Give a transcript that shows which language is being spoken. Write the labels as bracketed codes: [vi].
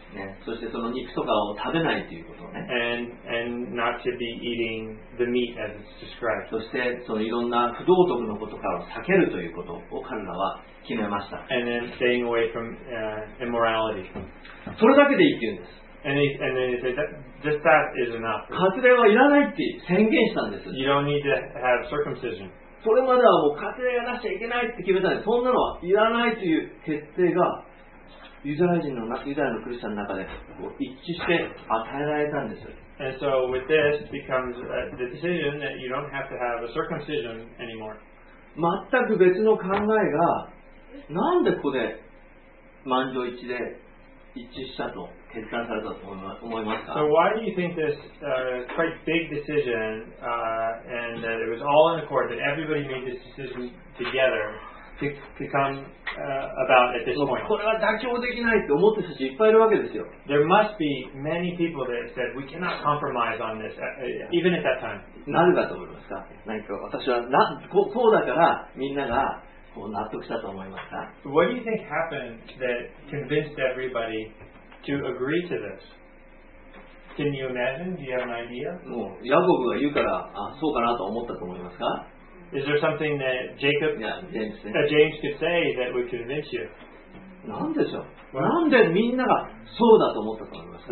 [ja] ね、そしてその肉とかを食べないということね。 [en] And not to be eating the meat as it's described. [ja] そしてそのいろんな不道徳のことからを避けるということを彼らは決めました。 [en] And then staying away from immorality. [ja] それだけでいいって言うんです。 [en] And then they say that just that is enough. [ja] 割礼はいらないって宣言したんです。 [en] You don't need to have circumcision. [ja] それまではもう割礼がなしちゃいけないって決めたんです。そんなのはいらないという決定がユダヤ人のクリスチャンの中で一致して与えられたんです。 [en] And so with this becomes the decision that you don't have to have a circumcision anymore. [ja] 全く別の考えがなんでここで満場一致で一致したと決断されたと思いますか。 [en] So why do you think this quite big decision and that it was all in accord that everybody made this decision together become about at this point? [ja] これは妥協できないと思ってる人いっぱいいるわけですよ。 [en] There must be many people that said we cannot compromise on this even at that time. [ja] なぜだと思いますか。なんか私はなこうだからみんなが。 [en] What do you think happened that convinced everybody to agree to this? Can you imagine? Do you have an idea? [ja] もうヤコブが言うからあそうかなと思ったと思いますか? [en] Is there something that Jacob, James, James could say that would convince you? [ja] なんでしょう? Well, なんでみんながそうだと思ったと思いますか?